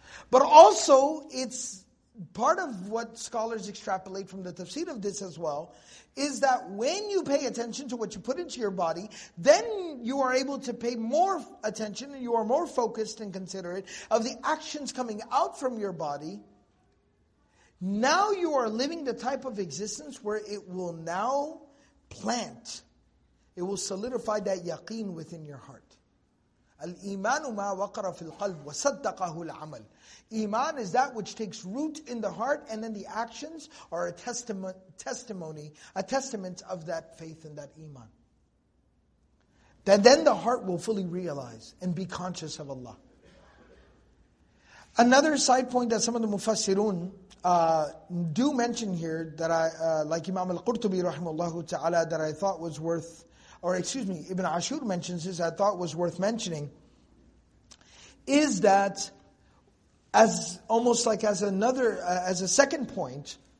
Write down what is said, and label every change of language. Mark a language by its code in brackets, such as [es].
[en] But also, it's part of what scholars extrapolate from the tafsir of this as well, is that when you pay attention to what you put into your body, then you are able to pay more attention and you are more focused and considerate of the actions coming out from your body. Now you are living the type of existence where it will now plant, it will solidify that yaqeen within your heart. [ar] الإيمان ما وقر في القلب وصدقه العمل. [en] Iman is that which takes root in the heart, and then the actions are a testament of that faith and that iman. That then the heart will fully realize and be conscious of Allah. Another side point that some of the mufassirun do mention here that I like Imam al-Qurtubi rahimahullah ta'ala, that I thought was worth, or excuse me, Ibn Ashur mentions this, I thought was worth mentioning, is that as almost like as another, as a second point,